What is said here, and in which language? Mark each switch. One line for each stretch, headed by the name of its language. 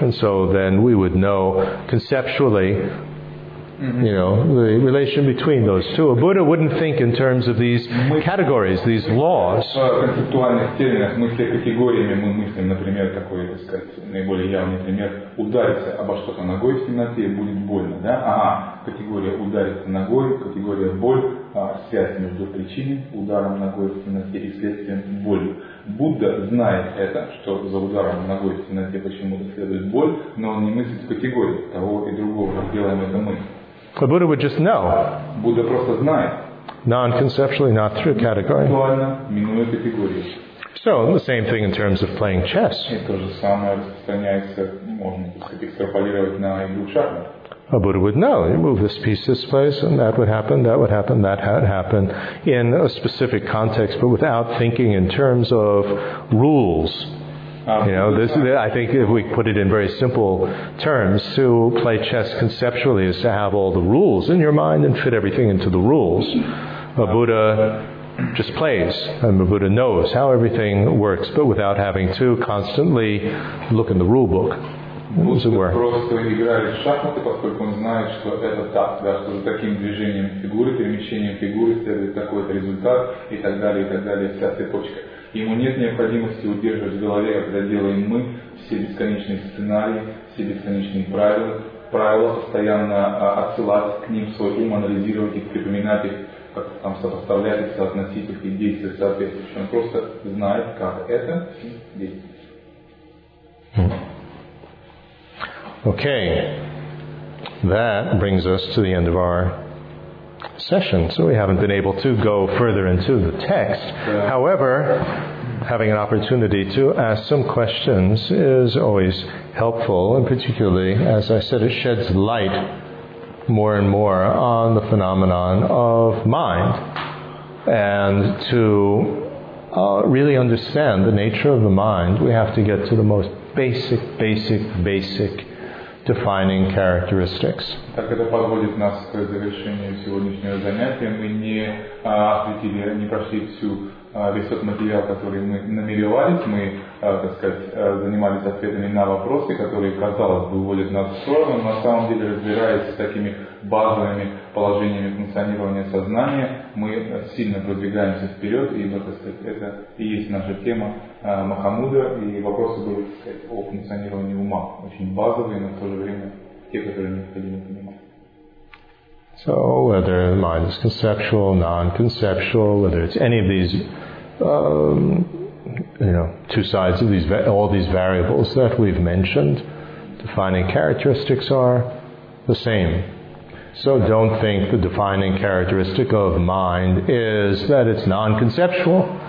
English: And so then we would know conceptually, you know, the relation between those two. A Buddha wouldn't think in terms of these categories, these laws.
Russian: В концептуальных терминах мысли категориями мы мыслим, например, такой, так сказать, наиболее явный пример, удариться обо что-то ногой в темноте, будет больно, да? Категория удариться ногой, категория боль, связь между причиной, ударом ногой в темноте и следствием боли. Будда знает это, что за ударом ногой в темноте почему-то следует боль, но он не мыслит в категории того и другого, как делаем это мы.
English: The Buddha would just know.
Russian: Buddha просто знает.
English: Non-conceptually, not through category.
Russian: Буквально, минуя категорию.
English: So, the same thing in terms of playing chess.
Russian: И то же самое распространяется, можно экстраполировать на игру в шахматы.
English: A Buddha would know, you move this piece this place, and that would happen, that would happen, that had happened in a specific context, but without thinking in terms of rules. You know, this, I think if we put it in very simple terms, to play chess conceptually is to have all the rules in your mind and fit everything into the rules. A Buddha just plays, and the Buddha knows how everything works, but without having to constantly look in the rule book.
Russian: Будда просто играет в шахматы, поскольку он знает, что это так, да, что за таким движением фигуры, перемещением фигуры следует такой-то результат и так далее, вся цепочка. Ему нет необходимости удерживать в голове, когда делаем мы, все бесконечные сценарии, все бесконечные правила, правила постоянно отсылать к ним свой ум, анализировать их, припоминать их, как там сопоставлять их, соотносить их и действовать соответствующе. Он просто знает, как это действовать.
English: Okay, that brings us to the end of our session. So we haven't been able to go further into the text. However, having an opportunity to ask some questions is always helpful, and particularly, as I said, it sheds light more and more on the phenomenon of mind, and to really understand the nature of the mind, we have to get to the most basic defining characteristics.
Russian: Так это подводит нас к завершению сегодняшнего занятия. Мы не осветили, не прошли всю весь тот материал, который мы намеревались. Мы, так сказать, занимались ответами на вопросы, которые, казалось бы, уводят нас в сторону. Но на самом деле, разбираясь с такими базовыми положениями функционирования сознания, мы сильно продвигаемся вперед, и, так сказать, это и есть наша тема Махамудра, и вопросы были, так сказать, о функционировании ума. Очень базовые, но в то же время те, которые необходимо понимать.
English: So whether the mind is conceptual, non-conceptual, whether it's any of these, two sides of these, all these variables that we've mentioned, defining characteristics are the same. So don't think the defining characteristic of mind is that it's non-conceptual.